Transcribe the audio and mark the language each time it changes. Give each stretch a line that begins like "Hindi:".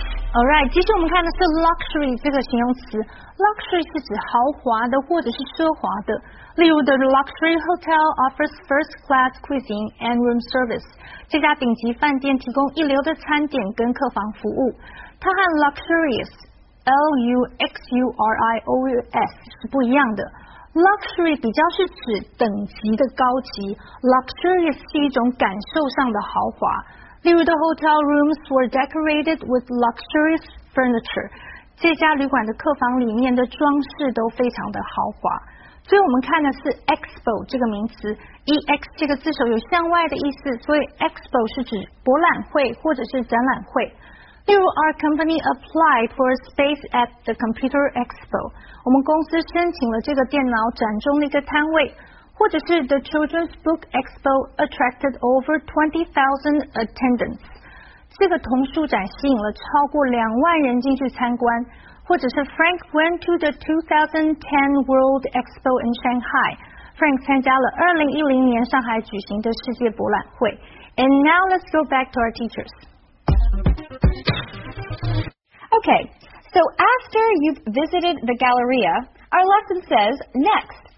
Chinese: Alright, 接着我们看的是 luxury 这个形容词。Luxury 是指豪华的或者是奢华的。例如
English: ,the luxury hotel offers first class cuisine and room service.
Chinese: 这家顶级饭店提供一流的餐点跟客房服务。它和 luxurious, L-U-X-U-R-I-O-U-S, 是不一样的。 Luxury 比较是指等级的高级。Luxurious 是一种感受上的豪华。例如
English: the hotel rooms were decorated with luxurious furniture.
Chinese: 这家旅馆的客房里面的装饰都非常的豪华。所以我们看的是 expo 这个名词 ,ex 这个字首有向外的意思，所以 expo 是指博览会或者是展览会。例如
English: our company applied for a space at the computer expo.
Chinese: 我们公司申请了这个电脑展中的一个摊位。或者是
English: The Children's Book Expo attracted over 20,000 attendants.
Chinese: 这个童书展吸引了超过两万人进去参观。或者是
English: Frank went to the 2010 World Expo in Shanghai.
Chinese: Frank 参加了2010年上海举行的世界博览会。
English: And now let's go back to our teachers. Okay, so after you've visited the Galleria, our lesson says next.